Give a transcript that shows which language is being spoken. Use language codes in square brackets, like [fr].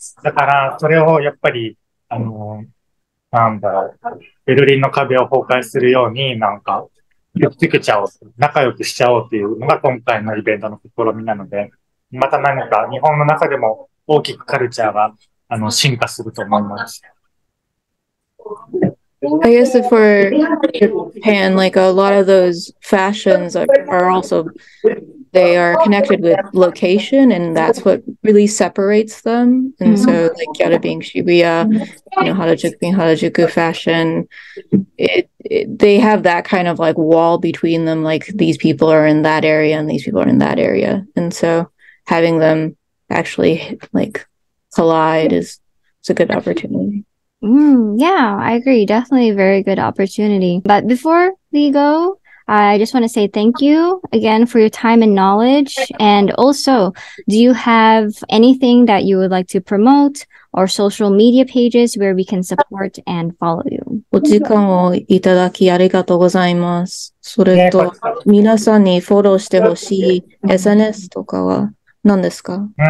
[ja] だから、それをやっぱり、なんだろう、ベルリンの壁を崩壊するように、なんか、くっつけちゃおう、仲良くしちゃおうっていうのが今回のイベントの試みなので、また何か日本の中でも大きくカルチャーが、進化すると思います。 [en] I guess for Japan, like a lot of those fashions are also, they are connected with location and that's what really separates them. And、mm-hmm. so like gyaru being Shibuya, you know, Harajuku being Harajuku fashion, they have that kind of like wall between them, like these people are in that area and these people are in that area. And so having them actually like collide is a good opportunity. Yeah, I agree. Definitely a very good opportunity. But before we go, I just want to say thank you again for your time and knowledge. And also, do you have anything that you would like to promote or social media pages where we can support and follow you? [ja] お時間をいただきありがとうございます。それと、皆さんにフォローしてほしい SNS とかは何ですか？